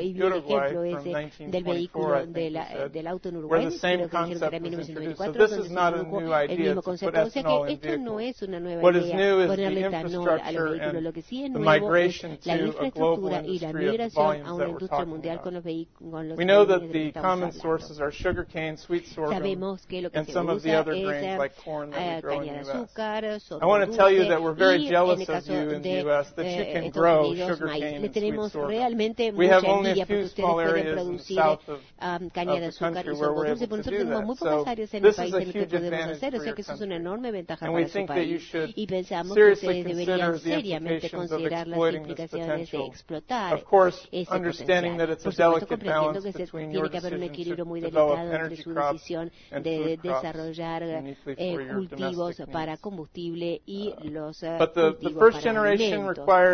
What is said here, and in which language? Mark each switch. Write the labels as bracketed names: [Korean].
[Spanish] Y un ejemplo ese del vehículo del auto en Uruguay, creo que dijeron que era 1924, [English] so this is not a new idea [Spanish] el mismo concepto. O sea que esto no es una nueva idea, ponerle etanol a los vehículos. Lo que sí es nuevo es la infraestructura y la migración a una industria mundial con los vehículos. [English] We know that the common sources are sugar cane, sweet sorghum, and some of the other grains like corn that we grow in the U.S. I want to tell you that we're very jealous of you in the U.S. that you can grow sugar cane and sweet sorghum. We have only a few small areas. [Spanish] Y caña de azúcar y son dulce, pero nosotros tenemos muy pocas áreas en el país en las que podemos hacer, o sea que eso es una enorme ventaja para su país. Y pensamos que ustedes deberían seriamente considerar las implicaciones de explotar ese potencial. Por supuesto, comprendiendo que tiene que haber un equilibrio muy delicado entre su decisión de desarrollar cultivos para combustible y los cultivos para alimentos.